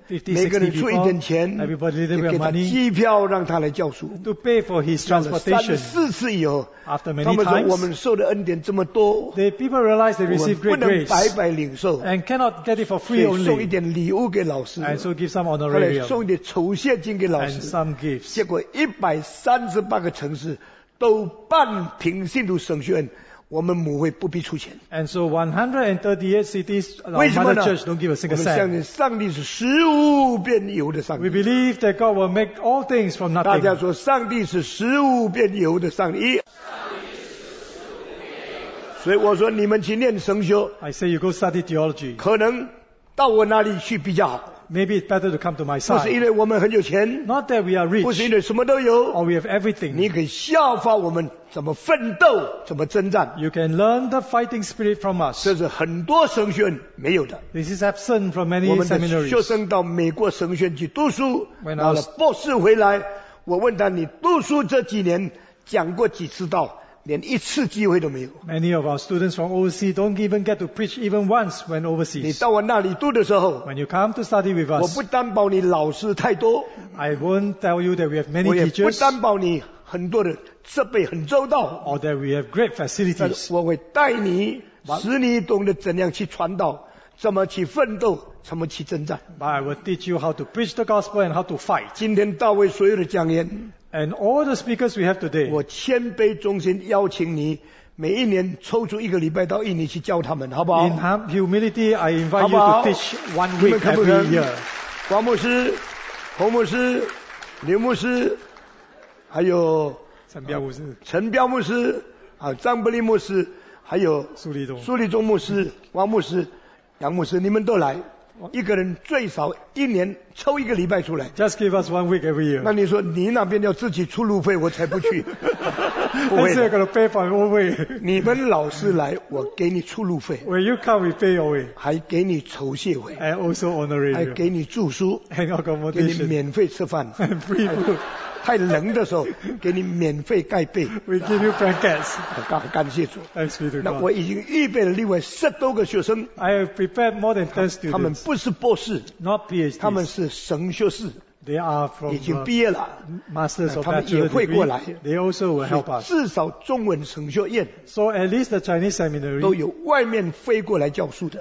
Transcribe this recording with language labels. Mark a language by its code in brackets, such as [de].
[en] 50、60 people, everybody little bit of money. [zh] 给他机票让他来教书, [en] to pay for his transportation. [zh] 三、四次以后, [en] after many times, [zh] 他们说我们受的恩典这么多, [en] the people realize they receive great grace. [zh] 我们不能白白领受, [en] and cannot get it for free only. [zh] 送一点礼物给老师, [en] and so give some honorarium. [zh] 送一点酬谢金给老师, [en] and some gifts. [zh] 结果138个城市, 都办平信徒神学院, 我们母会不必出钱。 [en] And so 138 cities, our mother church don't give a single cent. [zh] 我们相信上帝是食物变油的上帝。 [en] We believe that God will make all things from nothing. [zh] 大家说上帝是食物变油的上帝。所以我说你们去念神学, [en] I say you go study theology. [zh] 可能到我那里去比较好。 [en] Maybe it's better to come to my side. [zh] 不是因为我们很有钱, [en] not that we are rich. [zh] 不是因为什么都有, [en] or we have everything. [zh] 你可以效法我们怎么奋斗, 怎么征战。 [en] You can learn the fighting spirit from us. [zh] 这是很多神学院没有的。 [en] This is absent from many seminaries. [zh] 我们的学生到美国神学院去读书, 拿了博士回来, 我问他你读书这几年讲过几次道, 连一次机会都没有。 [en] Many of our students from overseas don't even get to preach even once when overseas. [zh] 你到我那里读的时候, [en] when you come to study with us, [zh] 我不担保你老师太多, [en] I won't tell you that we have many teachers. [zh] 我也不担保你很多的设备很周到, [en] or that we have great facilities. [zh] 我会带你, 使你懂得怎样去传道, 怎么去奋斗, 怎么去征战。 [en] But I will teach you how to preach the gospel and how to fight. [zh] 今天大卫所有的讲言, [en] and all the speakers we have today, [zh] 我谦卑忠心邀请你, 每一年抽出一个礼拜到印尼去教他们, 好不好? [en] In humility, I invite you to teach 1 week every year. [zh] 黄牧师, 洪牧师, 刘牧师, 还有, 陈彪牧师, 陈彪牧师, 张伯利牧师, 还有, 苏立宗, 苏立宗牧师, 王牧师, 杨牧师, 你们都来, 一个人最少一年抽一个礼拜出来, [en] just give us 1 week every year. [zh] 那你说, 你那边要自己出路费, 我才不去, 不会的, [en] and so you're going to pay for your own way. [zh] 你们老师来, 我给你出路费, [en] when you come we pay your way, [zh] 还给你酬谢费, [en] and also honorary, [zh] 还给你住宿, [en] and accommodation, [zh] 给你免费吃饭, [en] and free food. [zh] 太冷的时候, 给你免费盖被, [en] we give you blankets. [zh] 感谢主, [en] thanks be to God. [zh] 那我已经预备了另外10多个学生, [en] I have prepared more than 10 students. [zh] 他们不是博士, [en] not PhDs, [zh] 他们是神学士, [en] they are from 已经毕业了, Masters of Bachelor's, they also will help us. [zh] 至少中文神学院, [en] so at least the Chinese seminary, [zh] 都有外面飞过来教书的,